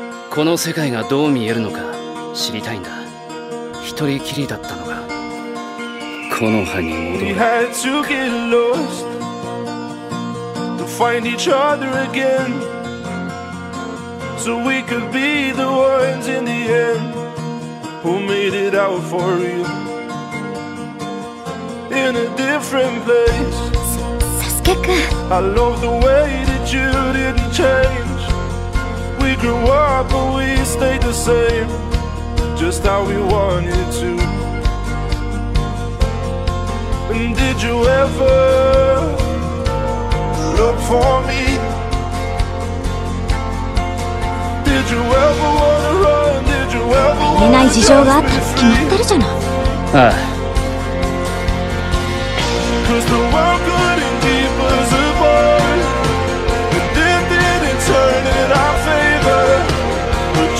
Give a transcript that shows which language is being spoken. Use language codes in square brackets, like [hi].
[ja] この世界がどう見えるのか知りたいんだ。一人きりだったのが。木の葉に戻る。 [en] We had to get lost to find each other again so we could be the ones in the end who made it out for you in a different place. [ja] Sasuke-kun. [en] I love the way that you didn't change. We grew up but we stayed the same, just how we wanted to. And did you ever look for me? Did you ever wanna run? Did you ever wanna [ja] 見えない事情があったって決まってるじゃない。ああ。 [en] 'Cause the world couldn't keep us apart. And it didn't turn in our favor.